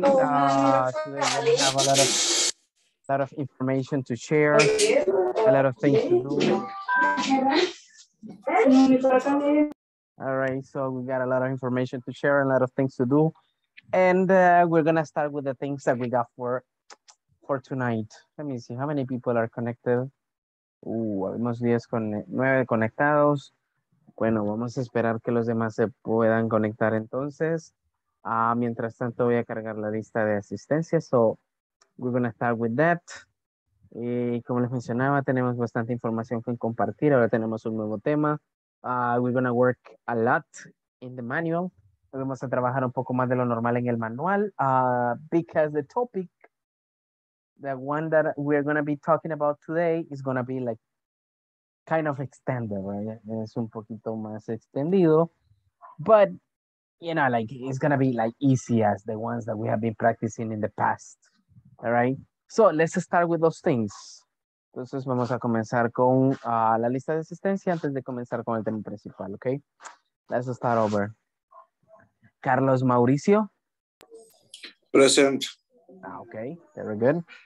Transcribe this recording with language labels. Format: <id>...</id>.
<en>Today we have a lot of information to share, a lot of things to do. All right, so we got a lot of information to share and a lot of things to do. And we're gonna start with the things that we got for tonight. Let me see how many people are connected.</en> <es>Habemos 10 con 9 conectados. Bueno, vamos a esperar que los demás se puedan conectar entonces. Mientras tanto, voy a cargar la lista de asistencia.</es> <en>So, we're going to start with that.</en> <es>Y como les mencionaba, tenemos bastante información que compartir. Ahora tenemos un nuevo tema.</es> <en>We're going to work a lot in the manual.</en> <es>Vamos a trabajar un poco más de lo normal en el manual.</es> <en>Because the topic, the one that we're going to be talking about today is going to be like kind of extended, right?</en> <es>Es un poquito más extendido,</es> <en>but you know, like it's going to be like easy as the ones that we have been practicing in the past. All right. So let's start with those things.</en> <es>Entonces vamos a comenzar con la lista de asistencia antes de comenzar con el tema principal.</es> <en>Okay. Let's start over. Carlos Mauricio. Present. Okay. Very good.</en>